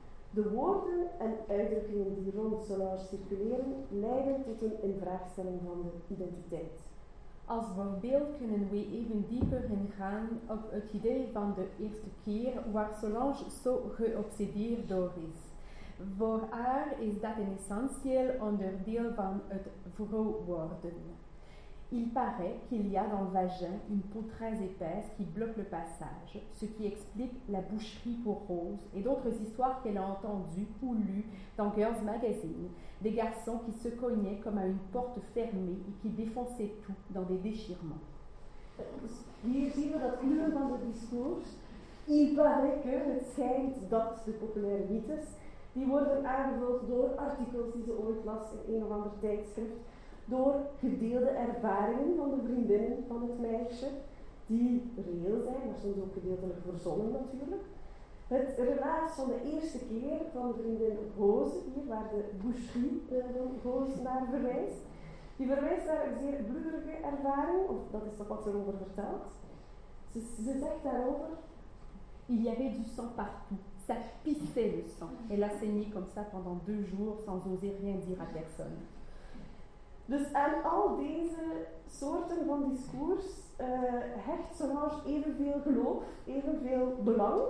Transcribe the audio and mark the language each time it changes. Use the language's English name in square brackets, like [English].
[Dutch] De woorden en uitdrukkingen die rond Solange circuleren, leiden tot een invraagstelling van de identiteit. Als voorbeeld kunnen we even dieper ingaan op het idee van de eerste keer waar Solange zo geobsedeerd door is. Voor haar is dat een essentieel onderdeel van het vrouw worden. [French] Il paraît qu'il y a dans le vagin une peau très épaisse qui bloque le passage, ce qui explique la boucherie pour Rose et d'autres histoires qu'elle a entendues ou lues dans Girls Magazine, des garçons qui se cognaient comme à une porte fermée et qui défonçaient tout dans des déchirements. [Dutch] Hier zien we dat uren van de discours. [French] Il paraît que, [Dutch] het schijnt dat de populaire mythes, die worden aangevuld door artikels die ze ooit las in een of ander tijdschrift, door gedeelde ervaringen van de vriendinnen van het meisje, die reëel zijn, maar soms ook gedeeltelijk verzonnen natuurlijk. Het relaas van de eerste keer van de vriendin Rose, hier waar de boucherie van Rose naar verwijst, die verwijst naar een zeer bloederige ervaring, of dat is toch wat erover verteld. Ze zegt daarover: [French] il y avait du sang partout. Ça pissait le sang. Elle a saigné comme ça pendant 2 jours sans oser rien dire à personne. [Dutch] Dus aan al deze soorten van discours hecht Solange evenveel geloof, evenveel belang.